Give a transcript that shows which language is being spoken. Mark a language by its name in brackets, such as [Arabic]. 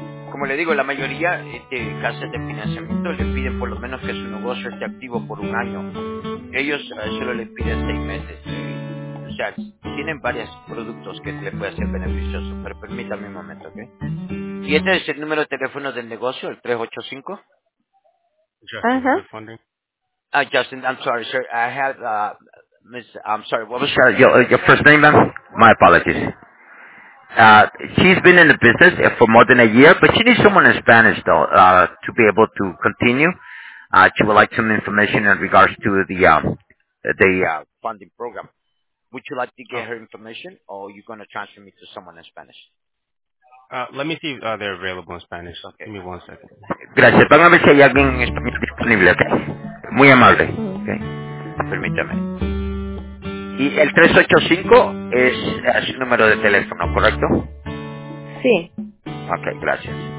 [Spanish] Como le digo, la mayoría de casas de financiamiento le piden por lo menos que su negocio esté activo por un año. Ellos solo le piden 6 meses. O sea, tienen varios productos que le puede ser beneficioso, pero permítame un momento, ¿ok? ¿Y este es el número de teléfono del negocio, el 385? [English] Justin, uh-huh. Justin, I'm sorry, sir. I have, Miss, I'm sorry, what was your first name, ma'am? My apologies. She's been in the business for more than a year, but she needs someone in Spanish, though, to be able to continue. She would like some information in regards to the funding program. Would you like to get her information, or are you going to transfer me to someone in Spanish? Let me see if they're available in Spanish. Okay. Give me 1 second. [Spanish] Gracias. Van a ver si hay alguien en español disponible, ¿ok? Muy amable, ¿ok? Permítame. Y el 385 es su número de teléfono, ¿correcto? Sí. Ok, gracias.